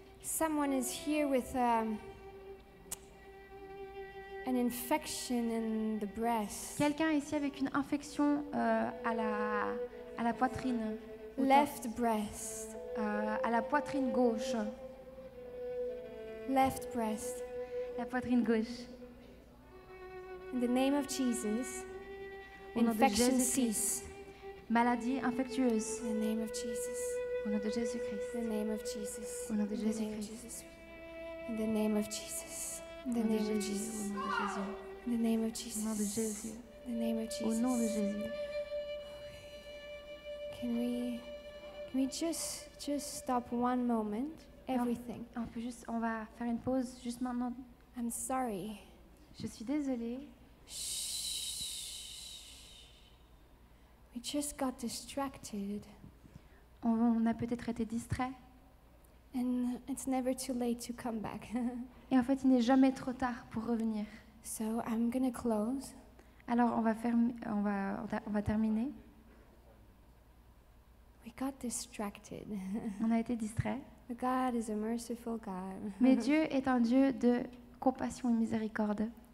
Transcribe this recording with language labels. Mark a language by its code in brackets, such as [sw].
[en] Someone is here with an infection in the breast. [fr] Quelqu'un ici avec une infection à la poitrine. [en] Left breast. [fr] À la poitrine gauche. [en] Left breast. [fr] La poitrine gauche. [en] In the name of Jesus, [fr] au nom [en] infection cease. [fr] Maladie infectieuse. [en] In the name of Jesus. [fr] Au nom de Jésus-Christ. [en] In the name of Jesus. [fr] Au nom de Jésus-Christ. [en] In the name of Jesus. In the name of Jesus. [fr] Au nom de Jésus. [en] In the name of Jesus. [fr] Au nom de Jésus. [en] In the name of Jesus. [fr] Au nom de Jésus. [en] Can we just stop one moment? Everything. [fr] On peut juste, on va faire une pause juste maintenant. [en] I'm sorry. [fr] Je suis désolée. [en] Shh. We just got distracted. [fr] On a peut-être été distrait. [en] And it's never too late to come back. [fr] Et en fait, il n'est jamais trop tard pour revenir. [en] So I'm gonna close. [fr] Alors on va terminer. [en] We got distracted. [fr] On a été distrait. [en] But God is a merciful God. [fr] Mais Dieu est un Dieu de compassion et miséricorde.